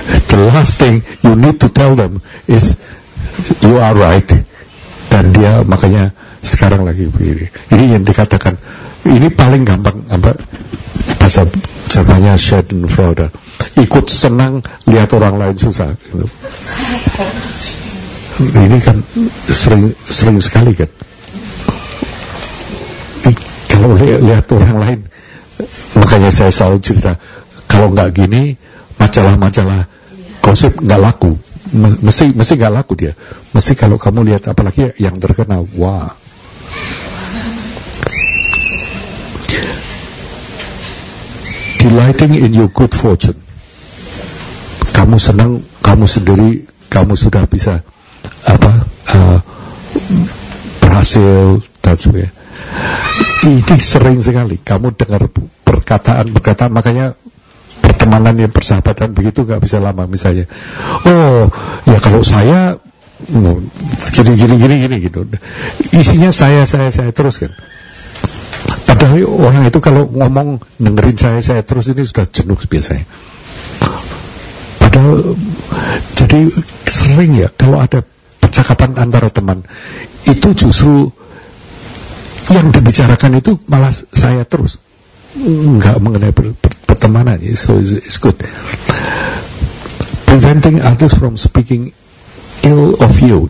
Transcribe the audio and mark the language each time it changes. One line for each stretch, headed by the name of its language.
English: The last thing you need to tell them is you are right.
Indonesian: Dan dia makanya sekarang lagi begini. Ini yang dikatakan, ini paling gampang apa bahasa jamannya Sheldon Froda. Ikut senang lihat orang lain susah gitu. Ini kan sering sekali kan. Kalau lihat orang lain, makanya saya selalu cerita, kalau enggak gini, majalah-majalah gosip enggak laku, mesti enggak laku dia. Mesti kalau kamu lihat, apalagi yang terkenal, wah.
English: Delighting in your good fortune.
Indonesian: Kamu senang, kamu sendiri, kamu sudah bisa apa berhasil, dan sebagainya. Ini sering sekali kamu dengar perkataan-perkataan, makanya pertemanan yang persahabatan begitu gak bisa lama. Misalnya, oh ya kalau saya gini gitu, isinya saya terus kan. Padahal orang itu kalau ngomong dengerin saya terus ini sudah jenuh biasanya. Padahal jadi sering ya kalau ada percakapan antara teman itu justru yang dibicarakan itu malah saya terus, enggak mengenai pertemanan.
English: So it's good. Preventing others from speaking ill of you.